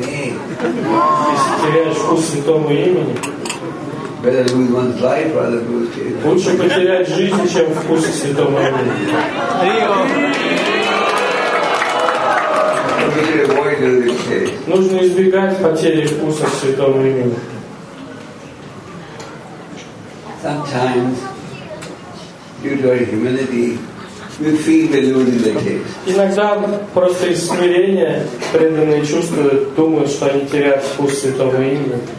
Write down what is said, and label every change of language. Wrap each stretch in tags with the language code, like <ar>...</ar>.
<ru>Если теряешь вкус святому имени.</ru> <en>Better lose one's life rather than lose taste.</en> <ru>Лучше потерять жизнь, чем вкус к святому имени. Нужно избегать потери вкуса к святому имени.</ru> <en>Sometimes due to our humility, we feel we're losing the taste.</en> <ru>Иногда просто из смирения преданные чувствуют, думают, что они теряют вкус святого имени.</ru>